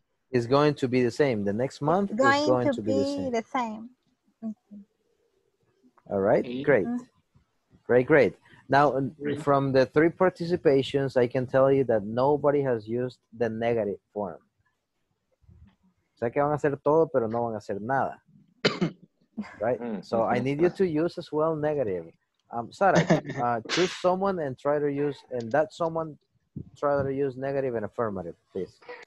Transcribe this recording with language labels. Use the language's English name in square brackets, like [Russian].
[English] It's going to be the same. The next month is going to be the same. Mm-hmm. All right. Great. Mm-hmm. Great, great. Now, from the three participations, I can tell you that nobody has used the negative form. [Spanish] O sea que van a hacer todo, pero no van a hacer nada. [English] Right? So I need you to use as well negative. Sara, choose someone and try to use, and that someone try to use negative and affirmative, please.